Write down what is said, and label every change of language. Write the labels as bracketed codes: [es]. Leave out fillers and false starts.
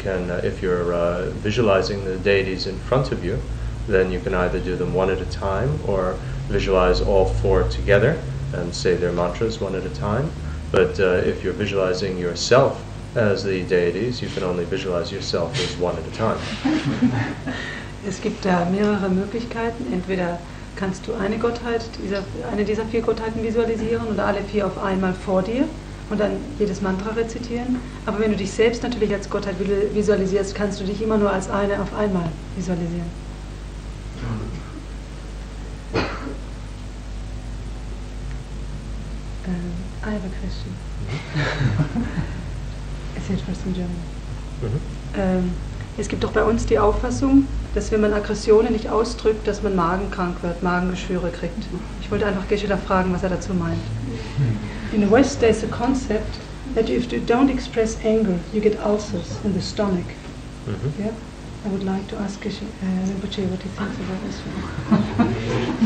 [en] If you're visualizing the deities in front of you, then you can either do them one at a time or visualize all four together and say their mantras one at a time. But if you're visualizing yourself as the deities, you can only visualize yourself as one at a time. [de] Es gibt da mehrere Möglichkeiten, entweder kannst du eine Gottheit, eine dieser vier Gottheiten visualisieren oder alle vier auf einmal vor dir und dann jedes Mantra rezitieren. Aber wenn du dich selbst natürlich als Gottheit visualisierst, kannst du dich immer nur als eine auf einmal visualisieren. [en] I have a question. Is it first in German? [de] Mm-hmm. Es gibt doch bei uns die Auffassung, dass wenn man Aggressionen nicht ausdrückt, dass man magenkrank wird, Magengeschwüre kriegt. Ich wollte einfach Geshe-la fragen, was er dazu meint. [en] In the West, there's a concept that if you don't express anger, you get ulcers in the stomach. Mm-hmm. Yeah? I would like to ask Rinpoche what he thinks about this one.